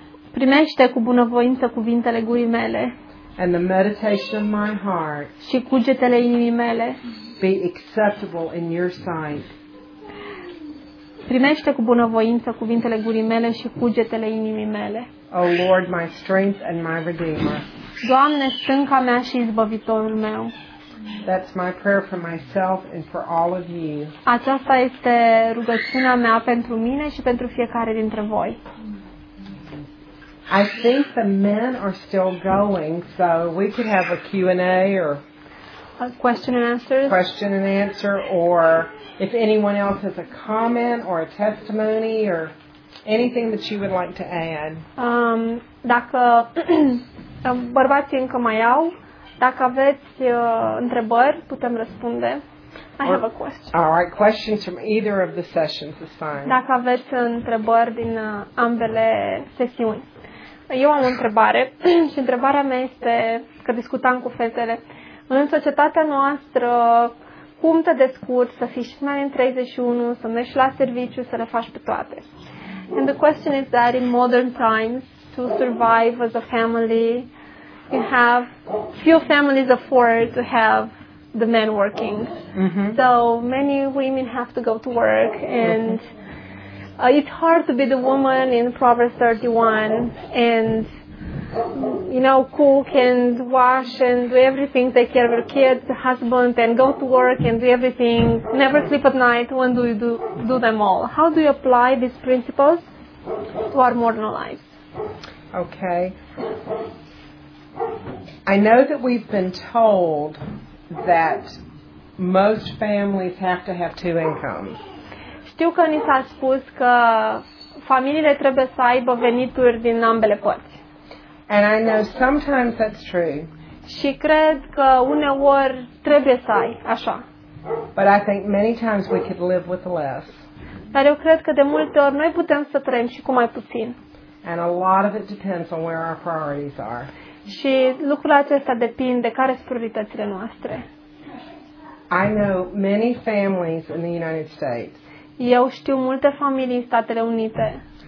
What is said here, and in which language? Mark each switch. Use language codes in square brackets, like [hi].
[ro] Primește cu bunăvoință cuvintele gurii mele. [en] And the meditation of my heart. [ro] Și cugetele inimii mele. [en] Be acceptable in your sight. [ro] Primește cu bunăvoință cuvintele gurii mele și cugetele inimii mele. [en] O Lord, my strength and my redeemer. [ro] Doamne, stânca mea și izbăvitorul meu. [en] That's my prayer for myself and for all of you. [ro] Aceasta este rugăciunea mea pentru mine și pentru fiecare dintre voi. [en] I think the men are still going, so we could have a Q&A or a question and answer. Question and answer, or if anyone else has a comment or a testimony or anything that you would like to add. [ro] Dacă bărbații încă mai au, dacă aveți întrebări, putem răspunde. [en] I have a question. All right, questions from either of the sessions is fine. [ro] Dacă aveți întrebări din ambele sesiuni. Eu am o întrebare și întrebarea mea este că discutam cu fetele. În societatea noastră, cum te descurci să fii și mai în 31, să mergi la serviciu, să le faci pe toate? [en] And the question is that in modern times, to survive as a family, you have few families afford to have the men working. Mm-hmm. So many women have to go to work, and It's hard to be the woman in Proverbs 31 and, you know, cook and wash and do everything, take care of her kids, the husband, and go to work and do everything, never sleep at night. When do you do them all? How do you apply these principles to our modern lives? Okay. I know that we've been told that most families have to have two incomes. [ro] Știu că ni s-a spus că familiile trebuie să aibă venituri din ambele părți. [en] And I know sometimes that's true. [ro] Și cred că uneori trebuie să ai așa. [en] But I think many times we could live with less. [ro] Dar eu cred că de multe ori noi putem să trăim și cu mai puțin. [en] And a lot of it depends on where our priorities are. [ro] Și lucrul acesta depinde de care sunt prioritățile noastre. [en] I know many families in the United States. [ro] Eu știu multe familii în Statele Unite